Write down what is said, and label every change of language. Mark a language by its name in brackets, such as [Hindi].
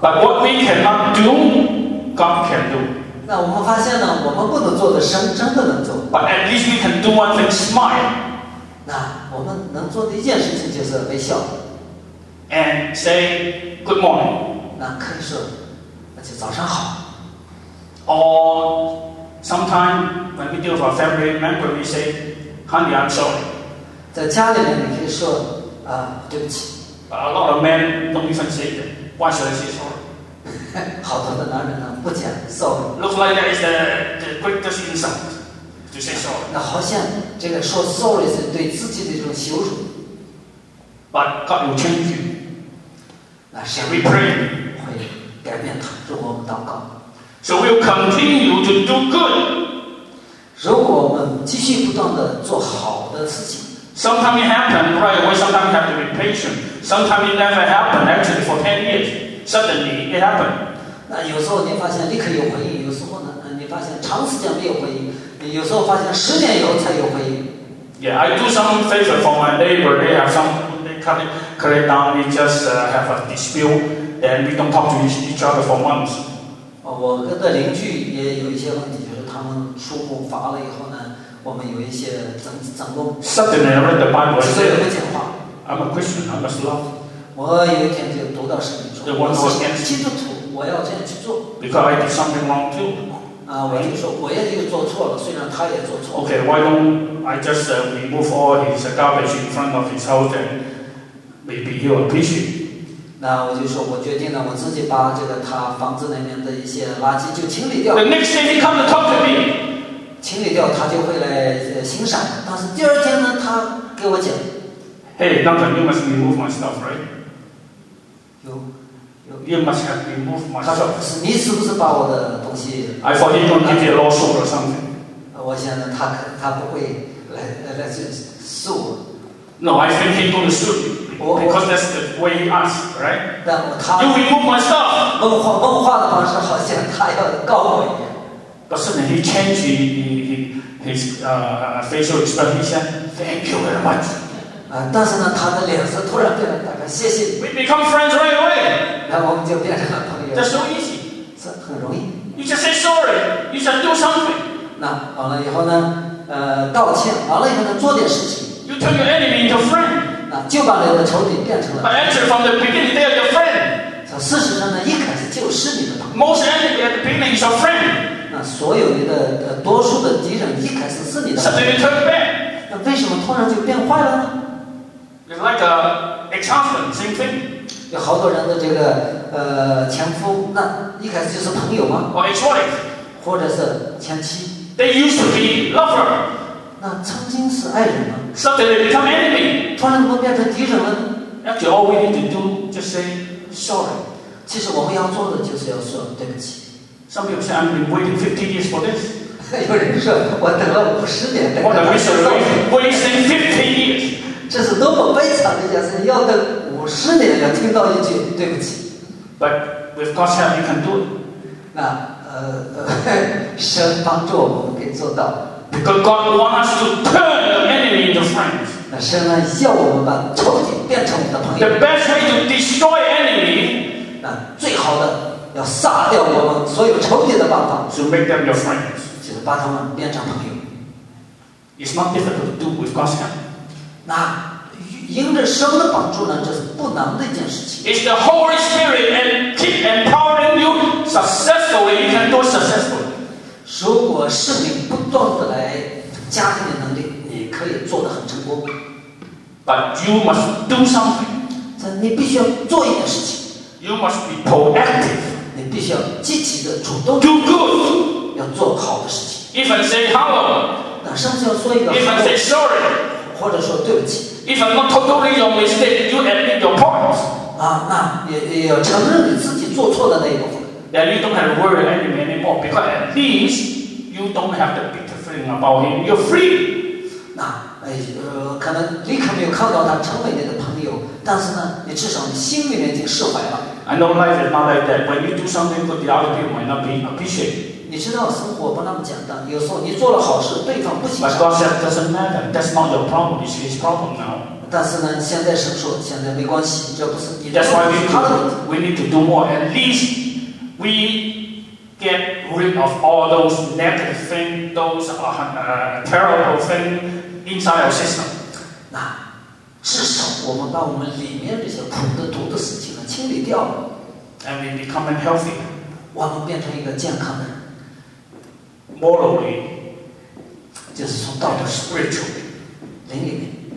[English] But what we cannot do, God can do. [Chinese] 那我们发现呢，我们不能做的神真的能做。 [English] But at least we can do one thing, smile. [Chinese] 那我们能做的一件事情就是微笑。 [English] And say good morning. [Chinese] 那可以说，那就早上好。 [English] Or sometimes when we deal with our family member, we say, "Honey, I'm sorry." [Chinese] 在家里面，你可以说，对不起。 [English] But a lot of men don't even say that. Why should I say sorry? [Chinese] 好多的男人呢，不讲 sorry. [English] Looks like that is the greatest insult to say sorry. [Chinese] 那好像这个说 sorry 是对自己的一种羞辱。 [English] But God will change you. Shall we pray? [Chinese] 会改变他，如果我们祷告。 [English] So we'll continue to do good. [Chinese] 如果我们继续不断的做好的事情。 [English] Sometimes it happens right away. Sometimes you have to be patient. Sometimes it never happened actually for 10 years. Suddenly it happened. [Chinese] 那有时候你发现立刻有回应，有时候呢，你发现长时间没有回应，有时候发现十年以后才有回应。 [English] Yeah, I do some favor for my neighbor. They have some. Cut it down, we just have a dispute, then we don't talk to each other for months. [Chinese] 我跟的邻居也有一些问题，就是他们树木伐了以后呢，我们有一些争论。 [English] Suddenly, I read the Bible. [Chinese] 所以不讲话。 [English] I'm a Christian. I must love. [Chinese] 我有一天就读到圣经中。 [English] The one who against. [Chinese] 基督徒，我要这样去做。 [English] Because I did something wrong too. [Chinese] 我就说我也就做错了，虽然他也做错了。 [English] Okay, why don't I just remove all his garbage in front of his house and? Maybe you appreciate. [Chinese] 那我就说，我决定了，我自己把这个他房子里面的一些垃圾就清理掉。 [English] The next day he comes to talk to me. [Chinese] 清理掉，他就会来欣赏。但是第二天呢，他给我讲 [English] ，Hey, Duncan, you must remove my stuff, right? You must have removed my stuff. [Chinese] 他说，你是不是把我的东西 [English] ？I thought you don't give me a lawsuit or something. [Chinese] 我想呢，他不会来去诉我。 [English] No, I think he's going to sue you. Because that's the way he asked, right? [Chinese] 但我他 [English] you remove my stuff. [Chinese] 问话的方式好像他要告我一样。 [English] But suddenly he changed his facial expression. He said, "Thank you very much." [Chinese] 但是呢，他的脸色突然变了，大概谢谢。 [English] We become friends right away. [Chinese] 那我们就变成了朋友。 [English] That's so easy. [Chinese] 是很容易。 [English] You just say sorry. You just do something. [Chinese] 那完了以后呢，道歉。完了以后呢，做点事情。 [English] You turn your enemy into friend. [Chinese] 就把你的仇敌变成了。 [English] But actually, from the beginning, they are your friend. [Chinese] 事实上呢，一开始就是你的朋友。 [English] Most enemy at the beginning is your friend. [Chinese] 那所有你的多数的敌人一开始是你的。 [English] Suddenly turn bad. [Chinese] 那为什么突然就变坏了呢 [English] ？It's like a example, same thing. [Chinese] 有好多人的这个前夫，那一开始就是朋友吗 [English] ？Or ex-wife. [Chinese] 或者是前妻。 [English] They used to be lover. [Chinese] 那曾经是爱人吗 [English] ？Suddenly become enemy. [Chinese] 突然怎么变成敌人了 [English] ？Actually, all we need to do just say sorry. [Chinese] 其实我们要做的就是要说对不起。 [English] Some people say I've been waiting 50 years for this. [Chinese] 有人说我等了50年等。 [English] What a miserable wasting 50 years. [Chinese] 这是多么悲惨的一件事，要等五是你的人，听到一句对不起。 [English] But with God's help, you can do it. [Chinese] 那神帮助我们，我们可以做到。 [English] Because God wants to turn the enemy into friends. [Chinese] 那神呢，要我们把仇敌变成我们的朋友。 [English] The best way to destroy enemy. [Chinese] 那最好的要杀掉我们所有仇敌的办法。 [English] To make them your friends. [Chinese] 就是把他们变成朋友。 [English] It's not difficult to do with God's help. [Chinese] 那迎着神的帮助呢，这是不难的一件事情。 [English] It's the Holy Spirit and keep empowering you successfully. You can do successfully. [Chinese] 如果圣灵不断的来加强你的能力，你可以做得很成功。 [English] But you must do something. [Chinese] 这你必须要做一件事情。 [English] You must be proactive. [Chinese] 你必须要积极的、主动。 [English] Do good. [Chinese] 要做好的事情。 [English] If I say hello. [Chinese] 那上次要说一个。 [English] If I say sorry. [Chinese] 或者说对不起。 [English] If I'm not totally your mistake, you admit your part. [Chinese] 啊，那也要承认你自己做错的那一部分。 [English] Then you don't have to worry about him anymore, because at least you don't have the bitter feeling about him. You're free. [Chinese] 那可能立刻没有看到他成为你的朋友，但是呢，你至少你心里面已经释怀了。 [English] I know life is not like that. When you do something for the other people, might not be appreciated. [Chinese] 你知道生活不那么简单，有时候你做了好事，对方不欣赏。 [English] But God said doesn't matter. That's not your problem. It's his problem now. [Chinese] 但是呢，现在神说，现在没关系，这不是你。 [English] That's why we need to do more. At least we get rid of all those negative things, those terrible things inside our system. [Chinese] 那至少我们把我们里面这些苦的、毒的事情清理掉了。 [English] And we become healthy. [Chinese] 我们变成一个健康的人。 [English] Morally, [Chinese] 就是从道德 [English] spiritually, [Chinese] 灵里面。